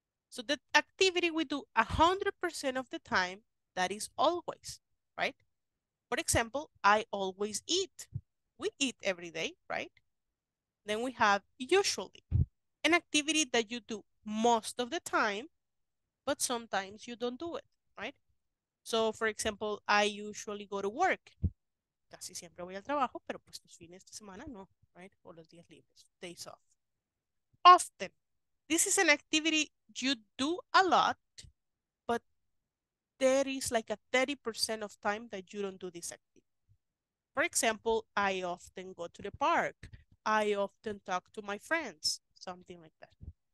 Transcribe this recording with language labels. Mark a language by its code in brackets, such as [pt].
[en] So the activity we do 100% of the time, that is always, right? For example, I always eat. We eat every day, right? Then we have usually, an activity that you do most of the time, but sometimes you don't do it, right? So for example, I usually go to work. [es] Casi siempre voy al trabajo, pero pues los fines de semana no, [en] right? [es] O los días libres, [en] days off. Often, this is an activity you do a lot, but there is like a 30% of time that you don't do this activity. For example, I often go to the park. I often talk to my friends, something like that.